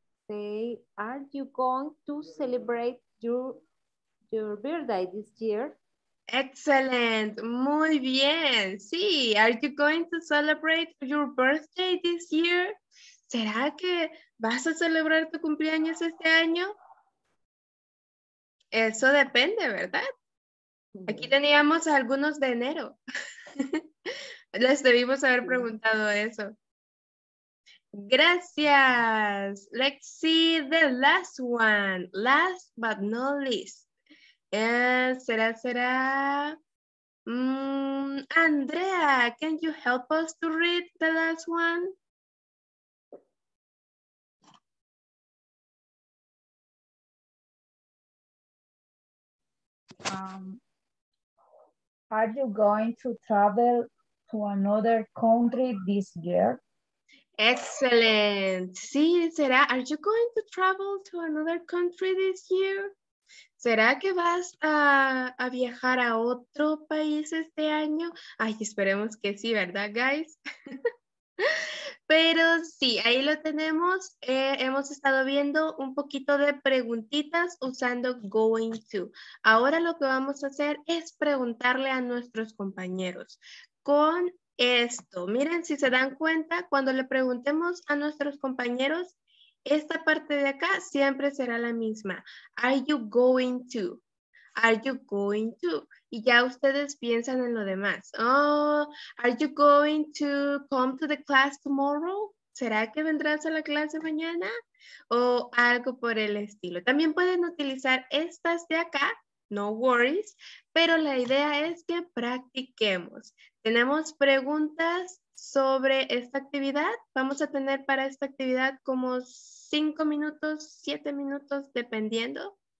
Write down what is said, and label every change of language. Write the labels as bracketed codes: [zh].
[en] Say, are you going to celebrate your birthday this year? Excellent. [es] Muy bien. Sí. [en] Are you going to celebrate your birthday this year? [es] ¿Será que vas a celebrar tu cumpleaños este año? Eso depende, ¿verdad? Aquí teníamos algunos de enero. Les debimos haber preguntado eso. Gracias. [en] Let's see the last one. Last but not least. [es] Será. [en] Andrea, can you help us to read the last one? Are you going to travel to another country this year? Excellent. [es] Sí, será. [en] Are you going to travel to another country this year? [es] ¿Será que vas a viajar a otro país este año? Ay, esperemos que sí, ¿verdad, guys? Pero sí, ahí lo tenemos. Hemos estado viendo un poquito de preguntitas usando going to. Ahora lo que vamos a hacer es preguntarle a nuestros compañeros con esto. Miren, si se dan cuenta, cuando le preguntemos a nuestros compañeros, esta parte de acá siempre será la misma. [en] Are you going to? Are you going to? [es] Y ya ustedes piensan en lo demás. [en] Oh, are you going to come to the class tomorrow? [es] ¿Será que vendrás a la clase mañana? O algo por el estilo. También pueden utilizar estas de acá, [en] no worries. [es] Pero la idea es que practiquemos. Tenemos preguntas sobre esta actividad. Vamos a tener para esta actividad como 5 minutos, 7 minutos, dependiendo.